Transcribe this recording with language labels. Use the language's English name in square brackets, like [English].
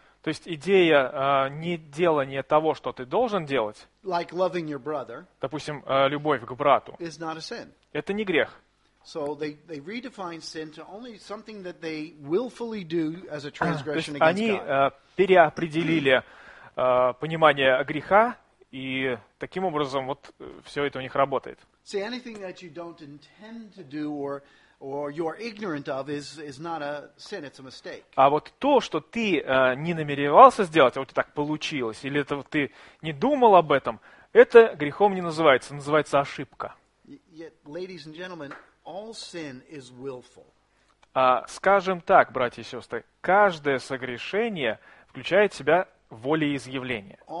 [Russian] То есть идея не делания того, что ты должен делать, [English] like loving your brother, [Russian] допустим, любовь к брату, [English] is not a sin. [Russian] Это не грех. [English] So they redefine sin to only something that they willfully do as a transgression against God. [Russian] Они переопределили понимание греха, и таким образом вот все это у них работает. [English] See, anything that you don't intend to do or you're ignorant of is not a sin, it's a mistake. [Russian] А вот то, что ты не намеревался сделать, а вот так получилось, или это ты не думал об этом, это грехом не называется, называется ошибка. [English] Yet, ladies and gentlemen, all sin is willful. [Russian] Скажем так, братья и сестры, каждое согрешение включает в себя волеизъявления.